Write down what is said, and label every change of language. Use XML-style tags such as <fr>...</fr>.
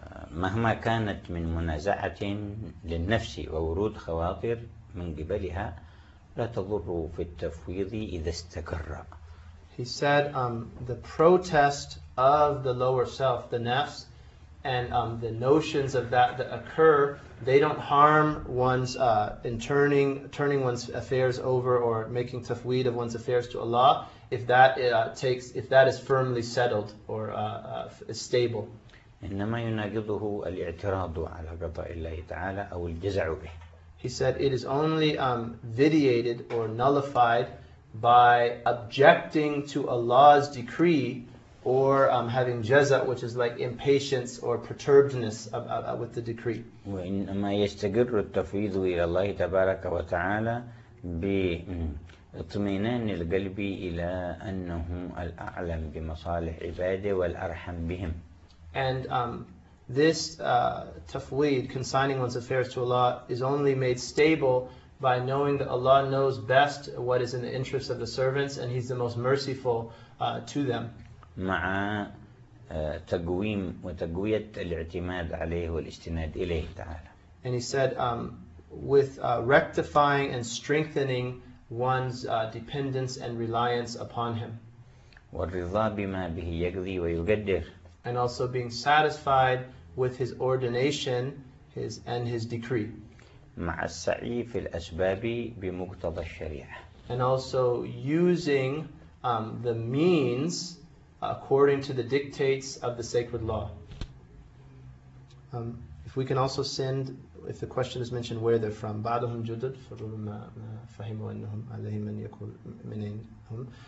<ar>مهما كانت من منازعة للنفس وورود خواطر من قبلها لا تضر في التفويض إذا استقر.</ar> <en>He said the protest of the lower self, the nafs, and the notions of that occur, they don't harm one's in turning one's affairs over or making tafweed of one's affairs to Allah if that is firmly settled or is stable.</en> <ar>إنما يناقضه الاعتراض على قضاء الله تعالى أو الجزع به.</ar> <en>He said it is only vitiated or nullified by objecting to Allah's decree or having jaza, which is like impatience or perturbedness with the decree.</en> <ar>وإنما يستقر التفويض إلى الله تبارك وتعالى بإطمئنان القلب إلى أنه الأعلم بمصالح عباده والأرحم بهم.</ar> <en>And this tafweed, consigning one's affairs to Allah, is only made stable by knowing that Allah knows best what is in the interest of the servants and He's the most merciful to them.</en> <ar>مع تقويم وتقوية الاعتماد عليه والاستناد إليه تعالى.</ar> <en>And he said, with rectifying and strengthening one's dependence and reliance upon Him.</en> <ar>والرضا بما به يقضي ويقدر.</ar> <en>And also being satisfied with His ordination, His and His decree.</en> <ar>مع السعي في الأسباب بمقتضى الشريعة.</ar> <en>And also using the means according to the dictates of the sacred law. If we can also send, if the question is mentioned where they're from,</en> <ar>بعضهم جدد فربما فهموا أنهم عليهم من يقول منين هم.</ar>